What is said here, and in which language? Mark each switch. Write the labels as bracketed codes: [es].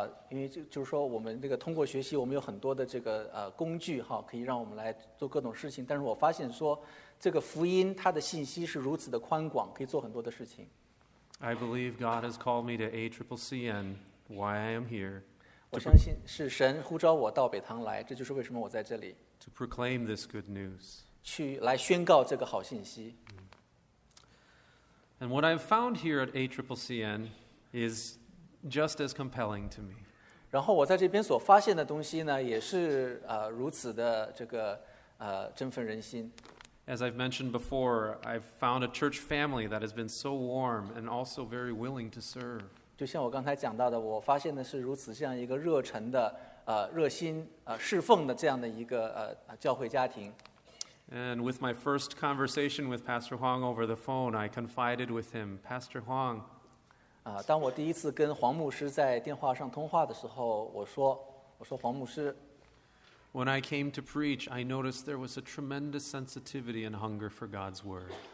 [zh] 因为就是说，我们这个通过学习，我们有很多的这个工具哈，可以让我们来做各种事情。但是我发现说，这个福音它的信息是如此的宽广，可以做很多的事情。 [en] I believe God has called me to ACCC, and why I am here. [zh] 我相信是神呼召我到北堂来，这就是为什么我在这里。 [en] To proclaim this good news. [zh] 去来宣告这个好信息。 [en] And what I've found here at ACCCN is just as compelling to me. [zh] 然后我在这边所发现的东西呢，也是如此的这个振奋人心。 [en] As I've mentioned before, I've found a church family that has been so warm and also very willing to serve. [zh] 就像我刚才讲到的，我发现的是如此这样一个热忱的热心侍奉的这样的一个教会家庭。 [en] And with my first conversation with Pastor Huang over the phone, I confided with him, Pastor Huang. [zh] 当我第一次跟黄牧师在电话上通话的时候，我说黄牧师。 [en] When I came to preach, I noticed there was a tremendous sensitivity and hunger for God's word.